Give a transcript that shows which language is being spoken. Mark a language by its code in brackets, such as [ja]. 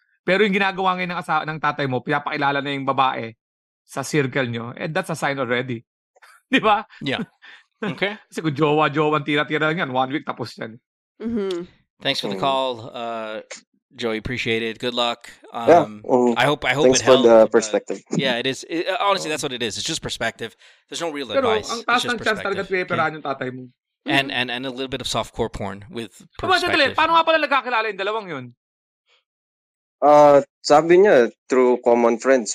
[tl] Pero yung ginagawa ngayon ng tatay mo, pinapakilala na yung babae sa circle niyo, [en] and that's a sign already. [tl] Di ba? [en] Yeah. Okay. [tl] Kasi kung jowa-jowa, tira-tira lang yan. 1 week, tapos yan. Mm-hmm. [en] Thanks for the call, Joey. Appreciate it. Good luck. I hope it helped. Thanks for the perspective. Yeah, it is. Honestly, that's what it is. It's just perspective. There's no real advice. [tl] Pero ang taas ng chance talaga tiyeperaan yung tatay mo. [en] And a little bit of softcore porn with perspective. [tl] Paano nga pala nagkakilala yung dalawang yun? Sabi niya, through common friends.